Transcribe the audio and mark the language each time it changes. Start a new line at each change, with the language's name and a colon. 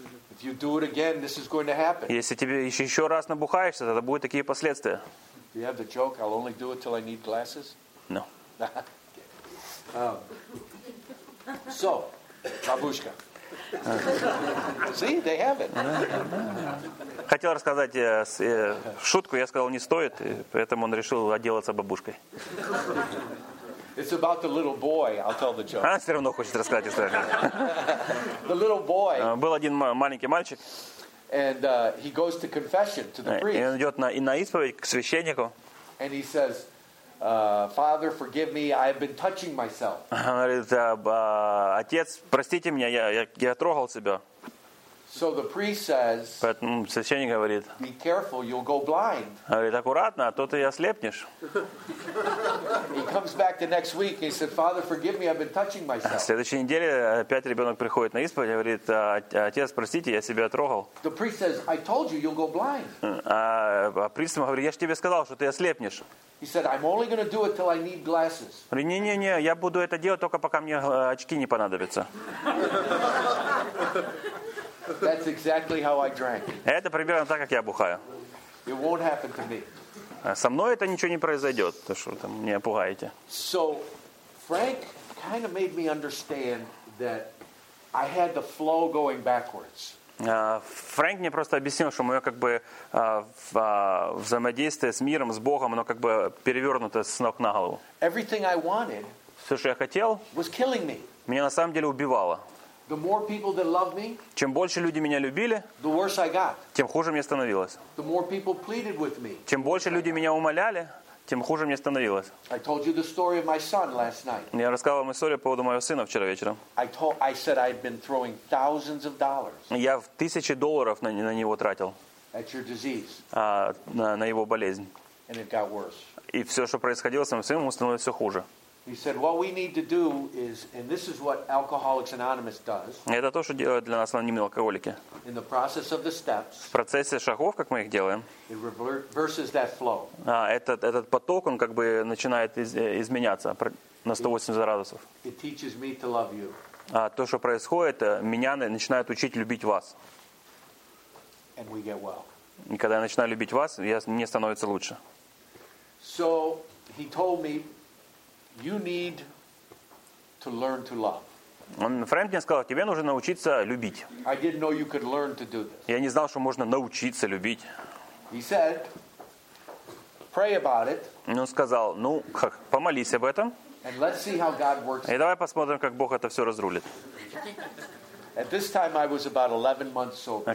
English: If you do it again, this is going to happen.
Russian: Если тебе еще раз набухаешься, тогда будут такие последствия.
English: Do you have the joke? I'll only do it till I need glasses? No. So, бабушка. See, they have it.
Russian: Хотел рассказать шутку, я сказал, не стоит, поэтому он решил отделаться бабушкой.
English: It's about the little boy. I'll tell the joke.
Russian: Она все равно хочет рассказать историю.
English: The little boy.
Russian: Был один маленький мальчик.
English: And he goes to confession to the priest.
Russian: И он идет на исповедь к священнику.
English: And he says, Father, forgive me. I have been touching myself.
Russian: Он говорит, отец, простите меня, я трогал себя.
English: So the priest says,
Russian: поэтому священник говорит,
English: be careful, you'll go blind.
Russian: Говорит, аккуратно, а то ты ослепнешь.
English: He comes back the next week and he said, Father, forgive me, I've been touching myself.
Russian: На следующей неделе опять ребенок приходит на исповедь, говорит, отец, простите, я себя трогал.
English: The priest says, I told you, you'll go blind.
Russian: А приставом говорит, я же тебе сказал, что ты ослепнешь.
English: He said, I'm only going to do it till I need glasses.
Russian: Не-не-не, я буду это делать только пока мне очки не понадобятся.
English: That's exactly how I drank.
Russian: Это примерно так, как я бухаю.
English: It won't happen to me.
Russian: Со мной это ничего не произойдет, то что там меня пугаете.
English: So Frank kind of made me understand that I had the flow going backwards.
Russian: Фрэнк мне просто объяснил, что мое как бы взаимодействие с миром, с Богом, оно как бы перевернуто с ног на голову.
English: Everything I wanted,
Russian: все, что я хотел,
English: was killing me.
Russian: Меня на самом деле убивало.
English: The more people that loved me,
Russian: чем больше люди меня любили,
English: the worse I got.
Russian: Тем хуже мне становилось.
English: The more people pleaded with me,
Russian: чем больше люди меня умоляли, тем хуже мне становилось.
English: I told you the story of my son last night.
Russian: Я рассказывал вам историю по поводу моего сына вчера вечером.
English: I said I've been throwing thousands of dollars.
Russian: Я в тысячи долларов на него тратил.
English: At your disease.
Russian: На его болезнь.
English: And it got worse.
Russian: И все, что происходило с моим сыном, становилось все хуже.
English: He said, "What we need to do is, and this is what Alcoholics Anonymous does."
Russian: Это то, что делают для нас анонимные алкоголики.
English: In the process of the steps.
Russian: В процессе шагов, как мы их делаем.
English: It reverses that flow.
Russian: Этот поток, он как бы начинает изменяться на 180 градусов.
English: It teaches me to love you.
Russian: То, что происходит, меня начинает учить любить вас.
English: And we get well.
Russian: И когда я начинаю любить вас, мне становится лучше.
English: So he told me, you need to learn to love.
Russian: Фрэнк мне сказал, тебе нужно научиться любить.
English: I didn't know you could learn to do this.
Russian: Я не знал, что можно научиться любить.
English: He said, pray about it.
Russian: Он сказал, ну как, помолись об этом.
English: And let's see how God works.
Russian: И давай посмотрим, как Бог это все разрулит.
English: At this time I was about 11 months sober.